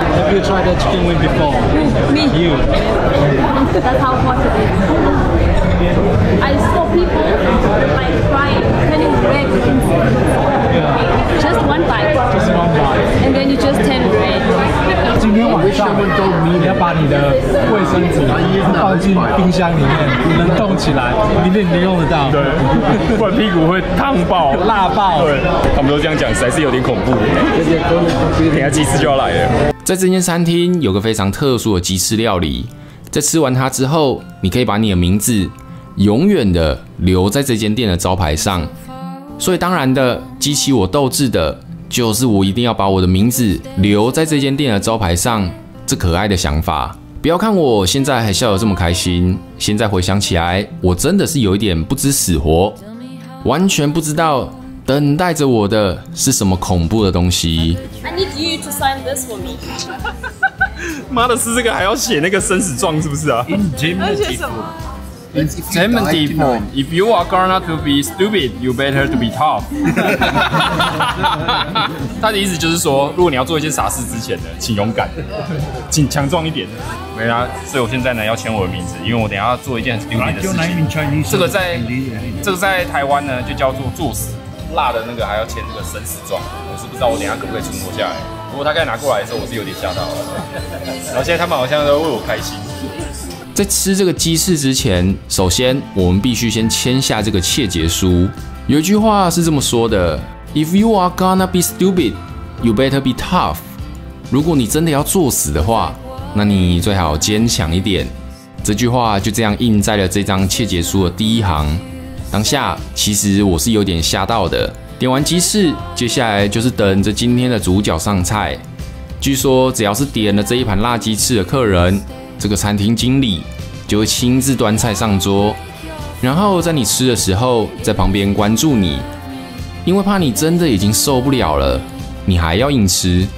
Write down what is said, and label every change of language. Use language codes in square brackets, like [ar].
[en] Have you tried that chicken wing before? Me. You. That's how hot it is. I saw people like crying, turning red. Yeah. Just one bite. Just one bite. And then you just turn red. [zh] 今天晚上我都迷你，要把你的卫生纸放进冰箱里面，能冻起来，明天你能用得到。对，不然屁股会烫爆、辣爆。对，他们都这样讲，实在是有点恐怖。等下鸡翅就要来了。在这间餐厅有个非常特殊的鸡翅料理，在吃完它之后，你可以把你的名字永远的留在这间店的招牌上。所以当然的，激起我斗志的。就是我一定要把我的名字留在这间店的招牌上，这可爱的想法。不要看我现在还笑得这么开心，现在回想起来，我真的是有一点不知死活，完全不知道等待着我的是什么恐怖的东西。 [en] I need you to sign this for me. [zh] 妈的，是这个还要写那个生死状是不是啊？而且什么？ [en] Intimidate form. If you are gonna to be stupid, you better to be tough. [zh] 他的意思就是说，如果你要做一些傻事之前呢，请勇敢，请强壮一点。没啦，所以我现在呢要签我的名字，因为我等一下要做一件很 stupid 的事情。这个在台湾呢就叫做作死，辣的那个还要签这个生死状。我是不知道我等一下可不可以存活下来。不过他刚才拿过来的时候，我是有点吓到了。然后现在他们好像都为我开心。在吃这个鸡翅之前，首先我们必须先签下这个切结书。有一句话是这么说的 ： [en] If you are gonna be stupid, you better be tough。 [zh] 如果你真的要作死的话，那你最好坚强一点。这句话就这样印在了这张切结书的第一行。当下其实我是有点吓到的。点完鸡翅，接下来就是等着今天的主角上菜。据说只要是点了这一盘辣鸡翅的客人。这个餐厅经理就会亲自端菜上桌，然后在你吃的时候在旁边关注你，因为怕你真的已经受不了了，你还要硬吃。